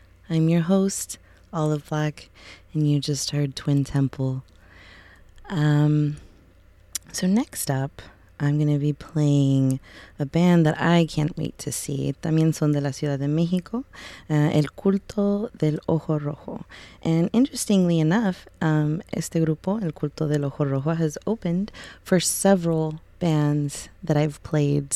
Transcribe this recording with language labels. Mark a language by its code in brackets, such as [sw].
[en] I'm your host, Olive Black, and you just heard Twin Temple. So next up, I'm going to be playing a band that I can't wait to see. [es] También son de la Ciudad de México, El Culto del Ojo Rojo. [en] And interestingly enough, [es] este grupo, [en] El Culto del Ojo Rojo, has opened for several bands that I've played.